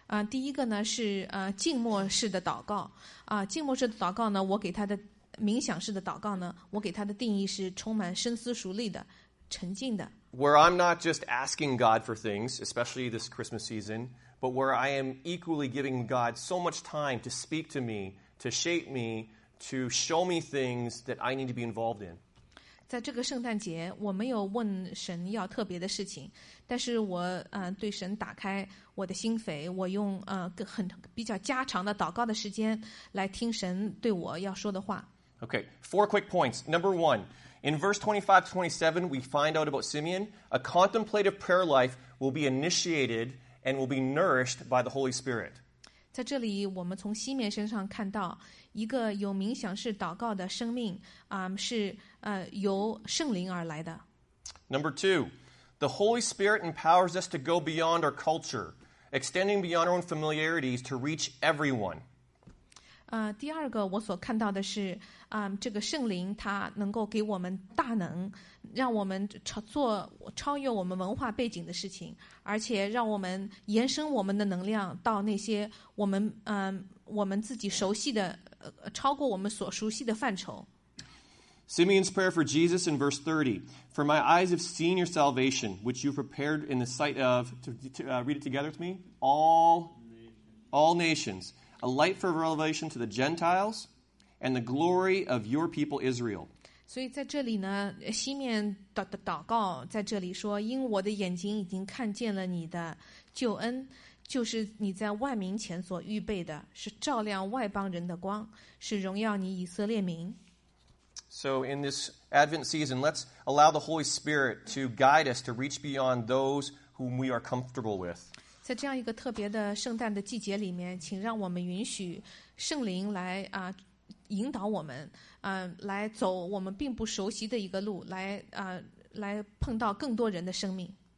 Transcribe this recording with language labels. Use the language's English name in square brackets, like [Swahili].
[Chinese] 第一个呢是静默式的祷告。静默式的祷告呢，我给他的冥想式的祷告呢，我给他的定义是充满深思熟虑的，沉静的。 [English] Where I'm not just asking God for things, especially this Christmas season, but where I am equally giving God so much time to speak to me, to shape me, to show me things that I need to be involved in. [Chinese] 在这个圣诞节我没有问神要特别的事情，但是我对神打开我的心扉，我用很比较加长的祷告的时间来听神对我要说的话。 [English] Okay, four quick points. Number one, in verse 25-27 we find out about Simeon, a contemplative prayer life will be initiated and will be nourished by the Holy Spirit. [Chinese] 在这里我们从西面身上看到一个有冥想式祷告的生命是由圣灵而来的。 [English] Number two, the Holy Spirit empowers us to go beyond our culture, extending beyond our own familiarities to reach everyone. [Chinese] 第二个我所看到的是这个圣灵它能够给我们大能，让我们超越我们文化背景的事情，而且让我们延伸我们的能量到那些我们自己熟悉的超过我们所熟悉的范畴。 [English] Simeon's prayer for Jesus in verse 30. For my eyes have seen your salvation, which you prepared in the sight of, read it together with me, all nations, a light for revelation to the Gentiles and the glory of your people Israel. [Chinese] 所以在这里呢，西面祷告在这里说，因我的眼睛已经看见了你的救恩，就是你在万民前所预备的，是照亮外邦人的光，是荣耀你以色列民。 [English] So in this Advent season, let's allow the Holy Spirit to guide us to reach beyond those whom we are comfortable with. [Chinese] 在这样一个特别的圣诞的季节里面，请让我们允许圣灵来引导我们，来走我们并不熟悉的一个路，来碰到更多人的生命。